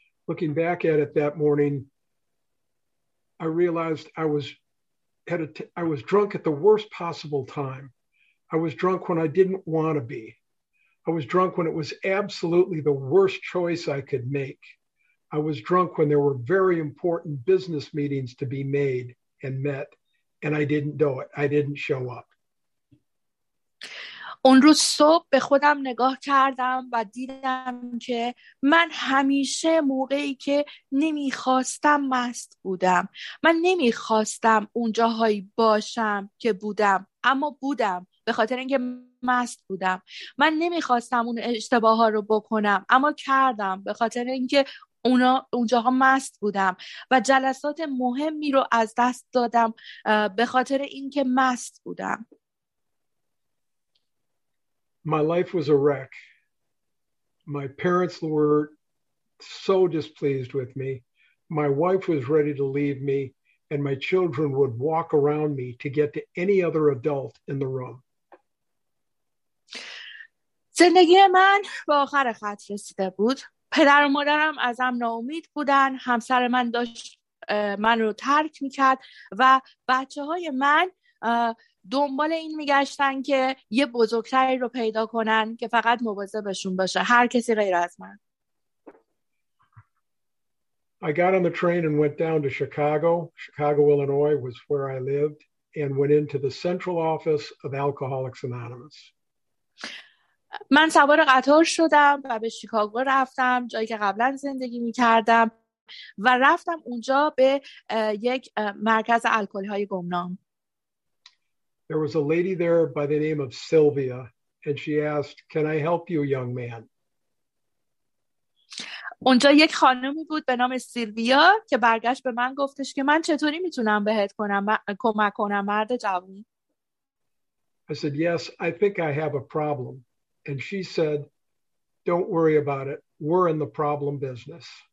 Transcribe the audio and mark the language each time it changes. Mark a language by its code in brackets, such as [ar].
[en] Looking back at it that morning, I realized I was drunk at the worst possible time. I was drunk when I didn't want to be. I was drunk when it was absolutely the worst choice I could make. I was drunk when there were very important business meetings to be made and met, and I didn't do it. I didn't show up. [fa] اون روز صبح به خودم نگاه کردم و دیدم که من همیشه موقعی که نمیخواستم مست بودم. من نمیخواستم اونجاهایی باشم که بودم، اما بودم به خاطر اینکه مست بودم. من نمیخواستم اون اشتباه ها رو بکنم، اما کردم به خاطر اینکه اونجاها مست بودم و جلسات مهمی رو از دست دادم به خاطر اینکه مست بودم. [en] My life was a wreck. My parents were so displeased with me. My wife was ready to leave me, and my children would walk around me to get to any other adult in the room. [fa] زندگی من به آخر خط رسیده بود. پدر و مادرم ازم ناامید بودن. همسر من داشت من رو ترک میکرد و بچه‌های من دنبال این میگشتن که یه بزرگتری رو پیدا کنن که فقط مواظبشون باشه، هر کسی غیر از من. [en] I got on the train and went down to Chicago. Chicago, Illinois was where I lived, and went into the central office of Alcoholics Anonymous. [fa] من سوار قطار شدم و به شیکاگو رفتم، جایی که قبلا زندگی میکردم، و رفتم اونجا به یک مرکز الکلی های گمنام. [en] There was a lady there by the name of Sylvia, and she asked, "Can I help you, young man?" [fa] اونجا یک خانمی بود به نام سیلویا که برگشت به من گفتش که من چطوری میتونم بهت کمک کنم، مرد جوان. [en] I said, "Yes, I think I have a problem." And she said, "Don't worry about it. We're in the problem business."